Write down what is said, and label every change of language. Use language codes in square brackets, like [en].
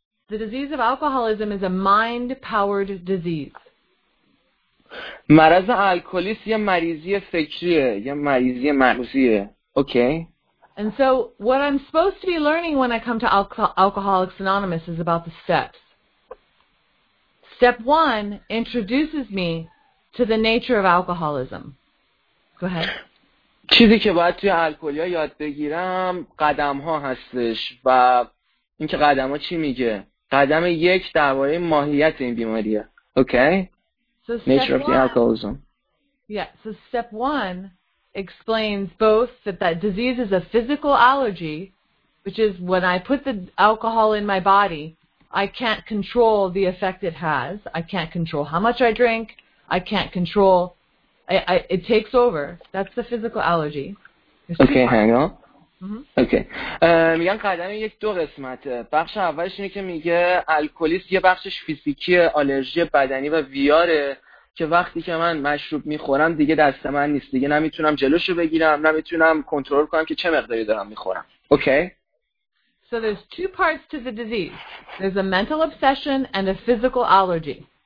[en] The disease of alcoholism is a mind-powered disease. [fa] مرض الکلیس یه مریضی فکریه، یه مریضی مغزیه. [en] Okay. And so what I'm supposed to be learning when I come to Alcoholics Anonymous is about the steps. Step one introduces me to the nature of alcoholism. Go ahead. [fa] چیزی که باید توی الکلیا یاد بگیرم قدم‌ها هستش و اینکه قدم‌ها چی میگه. قدم یک درباره ماهیت این بیماریه. [en] Okay. So nature of the alcoholism. Yeah, so step 1 explains both that disease is a physical allergy, which is when I put the alcohol in my body, I can't control the effect it has. I can't control how much I drink. I can't control it takes over. That's the physical allergy. Okay, hang on. Mm-hmm. Okay. [fa] میگن قدم یک دو قسمته. بخش اولش اینه که میگه الکلیس یه بخشش فیزیکیه، آلرژی بدنی و ویاره که وقتی که من مشروب میخورم دیگه دست من نیست، دیگه نمیتونم جلوشو بگیرم، نمیتونم کنترل کنم که چه مقداری دارم میخورم. [en] Okay. So there's two parts to the disease. There's a mental obsession and a physical allergy.